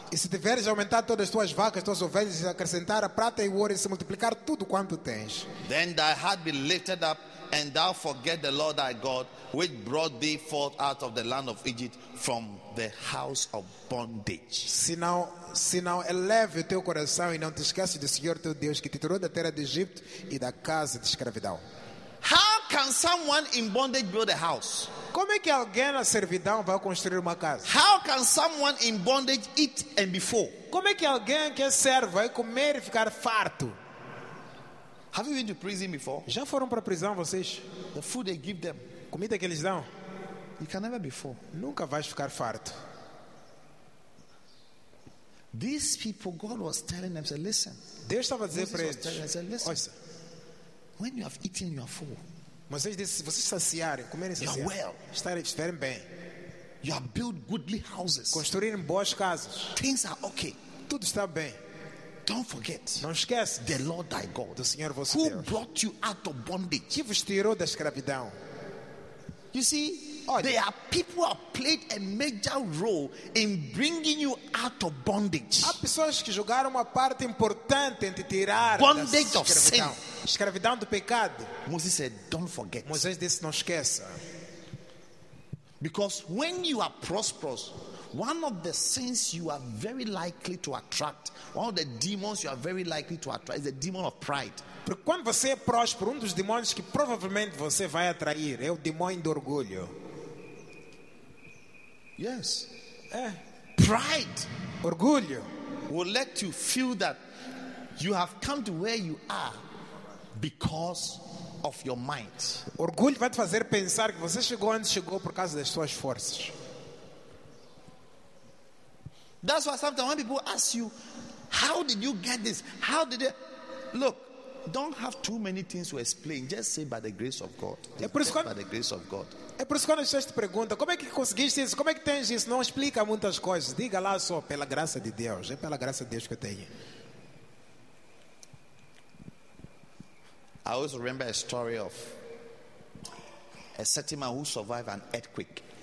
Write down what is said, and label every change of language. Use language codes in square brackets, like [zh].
[pt] E se tiveres aumentado todas as tuas vacas, tuas ovelhas, acrescentar a prata e o ouro e se multiplicar tudo quanto tens. [en] Then thy heart be lifted up, and thou forget the Lord thy God, which brought thee forth out of the land of Egypt from the house of bondage. [pt] Se não eleve o teu coração e não te esqueces do Senhor teu Deus que te tirou da terra de Egipto e da casa de escravidão. [en] How can someone in bondage build a house? [pt] Como é que alguém na servidão vai construir uma casa? [en] How can someone in bondage eat and be full? [pt] Como é que alguém que é servo vai comer e ficar farto? [en] Have you been to prison before? [pt] Já foram para prisão vocês? [en] The food they give them. [pt] Comida que eles dão? [en] You can never be full. [pt] Nunca vais ficar farto. [en] These people, God was telling them, said, listen. [pt] Deus estava a dizer para eles. Olha, [en] when you have eaten, you are full. [pt] Vocês disse, vocês saciarem, comerem saciarem. [en] You are well. [pt] Estarem bem. [en] You have built goodly houses. [pt] Construírem boas casas. [en] Things are okay. [pt] Tudo está bem. [en] Don't forget. [pt] Não esquece. [en] The Lord thy God. [pt] Do Senhor vosso [en] who [pt] Deus. [en] Who brought you out of bondage? [pt] Que vos tirou da escravidão? [en] You see, [pt] olha, [en] there are people who have played a major role in bringing you out of bondage. [pt] Há pessoas que jogaram uma parte importante em te tirar [en] bondage [pt] da escravidão. [en] Of sin. [pt] Escravidão do pecado. [en] Moses said, don't forget. [pt] Moisés disse, não esqueça. [en] Because when you are prosperous, one of the sins you are very likely to attract, one of the demons you are very likely to attract is the demon of pride. [pt] Porque quando você é próspero, um dos demônios que provavelmente você vai atrair é o demônio do orgulho. [en] Yes. [pt] É. [en] Pride. [pt] Orgulho. [en] Will let you feel that you have come to where you are because of your might. [pt] Orgulho vai te fazer pensar que você chegou onde chegou por causa das suas forças. [en] That's why sometimes when people ask you, how did you get this? How did it? Look, don't have too many things to explain. Just say by the grace of God. By the grace of God. [pt] É por isso quando as pessoas te perguntam, como é que conseguiste isso? Como é que tens isso? Não explica muitas coisas. Diga lá só, pela graça de Deus. É pela graça de Deus que eu tenho. [en] I always remember a story of a certain man who survived an earthquake.